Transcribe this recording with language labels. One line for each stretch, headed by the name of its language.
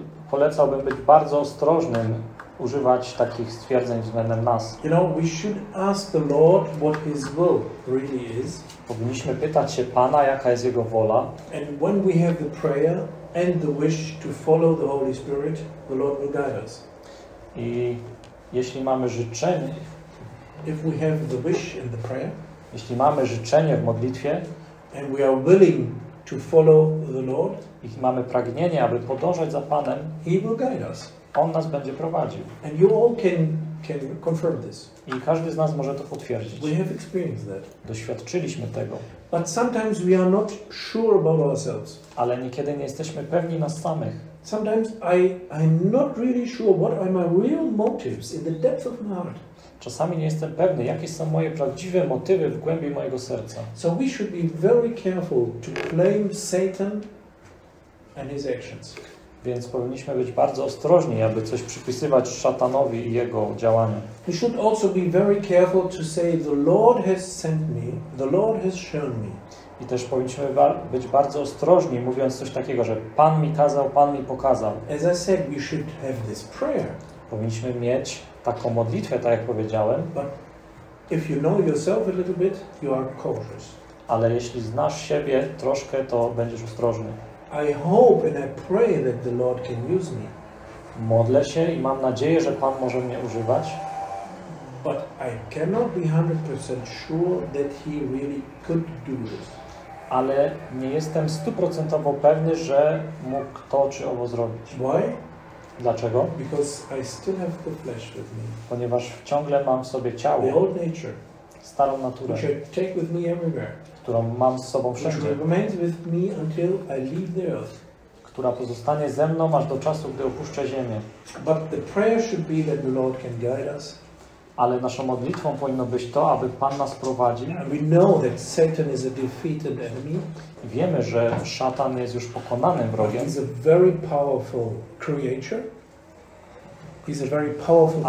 Polish: Polecałbym być bardzo ostrożnym używać takich stwierdzeń względem nas.
English: You know, we should ask the Lord what his will really is.
Polish: Powinniśmy pytać się Pana, jaka jest jego wola.
English: And when we have the prayer and the wish to follow the Holy Spirit, the Lord will guide us.
Polish: I jeśli mamy życzenie,
English: if we have the wish and the prayer,
Polish: jeśli mamy życzenie w modlitwie,
English: and we are willing to follow the Lord,
Polish: i mamy pragnienie, aby podążać za Panem,
English: he will guide us.
Polish: On nas będzie prowadził.
English: And you all can confirm this.
Polish: I każdy z nas może to potwierdzić.
English: We have experienced that.
Polish: Doświadczyliśmy tego.
English: But sometimes we are not sure about ourselves.
Polish: Ale niekiedy nie jesteśmy pewni nas samych.
English: Sometimes I'm not really sure what are my real motives in the depth of my heart.
Polish: Czasami nie jestem pewny, jakie są moje prawdziwe motywy w głębi mojego serca.
English: So we should be very careful to claim Satan and his actions.
Polish: Więc powinniśmy być bardzo ostrożni, aby coś przypisywać szatanowi i jego działaniu.
English: We should also be very careful to say the Lord has sent me, the Lord has shown me.
Polish: I też powinniśmy być bardzo ostrożni, mówiąc coś takiego, że Pan mi kazał, Pan mi pokazał.
English: As I said, we should have this prayer.
Polish: Powinniśmy mieć taką modlitwę, tak jak powiedziałem.
English: But if you know yourself a little bit, you are cautious.
Polish: Ale jeśli znasz siebie troszkę, to będziesz ostrożny.
English: I hope and I pray that the Lord can use me.
Polish: Modlę się i mam nadzieję, że Pan może mnie używać.
English: But I cannot be 100% sure that he really could do this.
Polish: Ale nie jestem 100% pewny, że mógł to czy owo zrobić.
English: Why?
Polish: Dlaczego?
English: Because I still have the flesh with me.
Polish: Ponieważ ciągle mam w sobie ciało.
English: The old nature.
Polish: Starą naturę.
English: Which I take with me everywhere.
Polish: Którą mam z sobą wszędzie.
English: Which remains with me until I leave the earth.
Polish: Która pozostanie ze mną aż do czasu, gdy opuszczę ziemię.
English: But the prayer should be that the Lord can guide us.
Polish: Ale naszą modlitwą powinno być to, aby Pan nas prowadził.
English: And we know that Satan is a defeated enemy.
Polish: Wiemy, że szatan jest już pokonanym wrogiem.
English: He's a very powerful creature. He's a very powerful creature.